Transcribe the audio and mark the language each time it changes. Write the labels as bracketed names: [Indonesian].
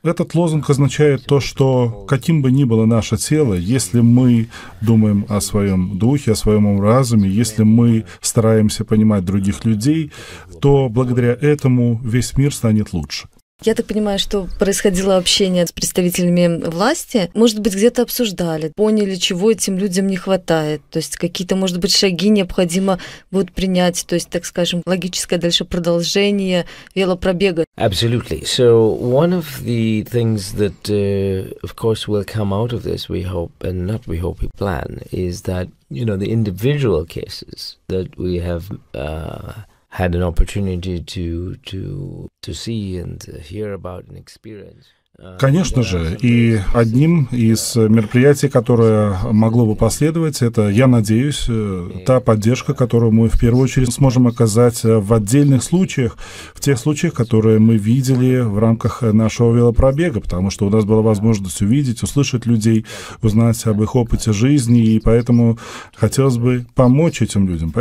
[Russian] Этот лозунг означает то, что каким бы ни было наше тело, если мы думаем о своем духе, о своем разуме, если мы стараемся понимать других людей, то благодаря этому весь мир станет лучше. Я так понимаю, что происходило общение с представителями власти. Может быть, где-то обсуждали, поняли, чего этим людям не хватает. То есть какие-то, может быть, шаги необходимо будут принять. То есть, так скажем, логическое дальше продолжение велопробега. [English] Absolutely. So one of the things that, of course, will come out of this, we hope, and not we hope, we plan, is that, you know, the individual cases that we have had an opportunity to see and hear about and experience. [Russian] Конечно же, и одним из мероприятий, которое могло бы последовать, это, я надеюсь, та поддержка, которую мы в первую очередь сможем оказать в отдельных случаях, в тех случаях, которые мы видели в рамках нашего велопробега, потому что у нас была возможность увидеть, услышать людей, узнать об их опыте жизни, и поэтому хотелось бы помочь этим людям.